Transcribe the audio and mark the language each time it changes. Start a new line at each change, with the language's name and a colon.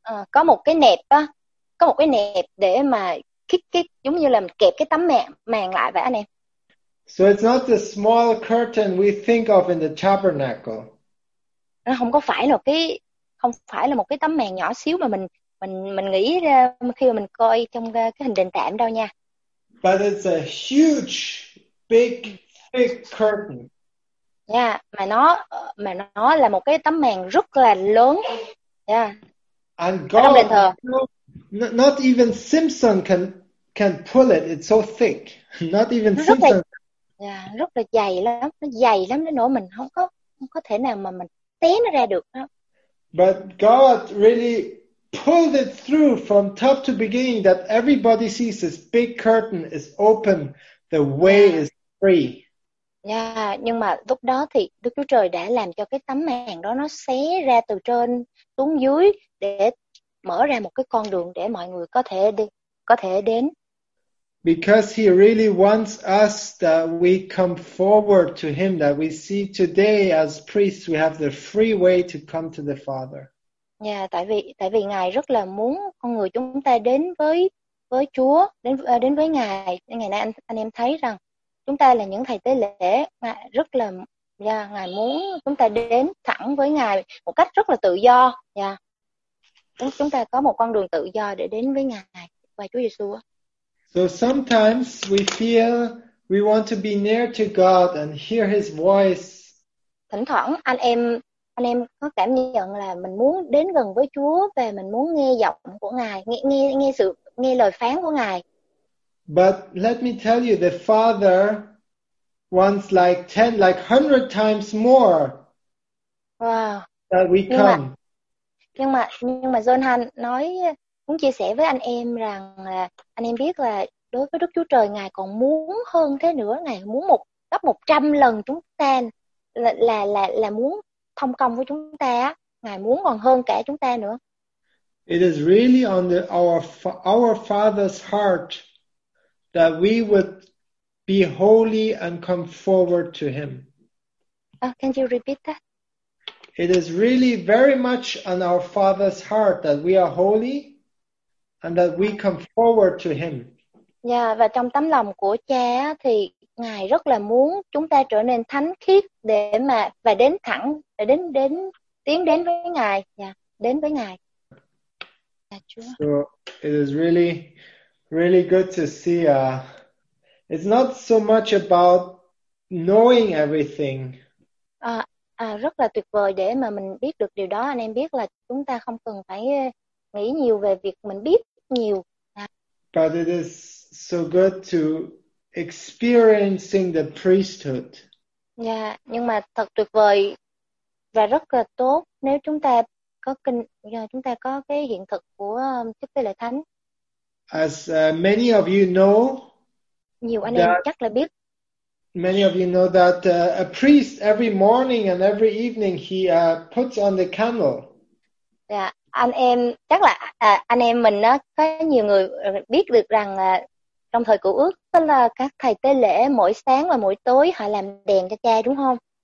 Vietnamese: Có một cái nẹp á, có một cái nẹp để mà kích, giống như là kẹp cái tấm màn lại vậy anh em.
English: So it's not the small curtain we think of in the tabernacle.
Vietnamese: Nó không phải là một cái tấm màn nhỏ xíu mà mình nghĩ ra khi mà mình coi trong cái hình đền tạm đâu nha.
English: But it's a huge, big, thick curtain.
Vietnamese: Yeah, mà nó là một cái tấm màn rất là lớn.
English: Yeah. And God, not even Simpson can pull it. It's so thick. Not even Simpson.
Vietnamese: Yeah, rất là dày lắm, nó dày lắm đến nỗi mình không có thể nào mà mình té nó ra được.
English: But God really pulled it through from top to beginning that everybody sees this big curtain is open, the way is free.
Vietnamese: Yeah, nhưng mà lúc đó thì Đức Chúa Trời đã làm cho cái tấm màn đó nó xé ra từ trên xuống dưới để mở ra một cái con đường để mọi người có thể đến.
English: Because he really wants us that we come forward to him, that we see today as priests we have the free way to come to the Father.
Vietnamese: Yeah, tại vì ngài rất là muốn con người chúng ta đến với Chúa, đến với ngài. Ngày nay anh em thấy rằng chúng ta là những thầy tế lễ, ngài rất là ngài muốn chúng ta đến thẳng với ngài một cách rất là tự do. Yeah. Chúng ta có một con đường tự do để đến với ngài qua Chúa Giêsu.
English: So sometimes we feel we want to be near to God and hear his voice.
Vietnamese: Thỉnh thoảng anh em có cảm nhận là mình muốn đến gần với Chúa và mình muốn nghe giọng của ngài, nghe lời phán của ngài.
English: But let me tell you, the Father wants like 10, like 100 times more. Wow. That we come.
Vietnamese: Nhưng mà Jonathan nói muốn chia sẻ với anh em rằng là anh em biết là đối với Đức Chúa Trời ngài còn muốn hơn thế nữa, ngài muốn một gấp 100 lần chúng ta là muốn thông công với chúng ta, ngài muốn còn hơn cả chúng ta nữa.
English: It is really on the, our Father's heart that we would be holy and come forward to Him. Can you repeat that? It is really very much on our Father's heart that we are holy and that we come forward to Him.
Vietnamese: Yeah, và trong tấm lòng của Cha thì Ngài rất là muốn chúng ta trở nên thánh khiết để mà và đến thẳng để đến đến tiến đến với Ngài, đến với Ngài.
English: So it is really, really good to see. It's not so much about knowing everything.
Vietnamese: Rất là tuyệt vời để mà mình biết được điều đó. Anh em biết là chúng ta không cần phải nghĩ nhiều về việc mình biết nhiều.
English: But it is so good to experiencing the priesthood.
Vietnamese: Yeah, nhưng mà thật tuyệt vời và rất là tốt nếu chúng ta có kinh, chúng ta có cái hiện thực của chức tế lễ thánh.
English: As many of you know,
Vietnamese: nhiều anh em chắc là biết.
English: Many of you know that a priest every morning and every evening he puts on the camel.
Vietnamese: Yeah, anh em chắc là anh em mình á có nhiều người biết được rằng trong thời cựu ước đó là các thầy tế lễ mỗi sáng và mỗi tối họ làm đèn cho cha đúng không?